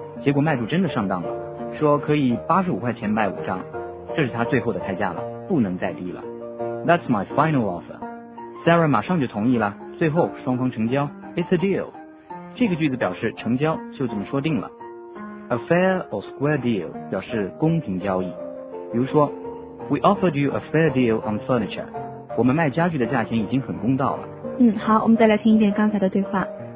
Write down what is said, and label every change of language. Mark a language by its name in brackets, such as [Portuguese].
[Chinese] 结果卖主真的上当了，说可以$85卖五张，这是他最后的开价了，不能再低了。 [English] That's my final offer. Sarah [Chinese] 马上就同意了，最后双方成交。 [English] It's a deal. [Chinese] 这个句子表示成交，就这么说定了。 [English] A fair or square deal [Chinese] 表示公平交易。比如说 [English] ，We offered you a fair deal on furniture. [Chinese] 我们卖家具的价钱已经很公道了。好，我们再来听一遍刚才的对话。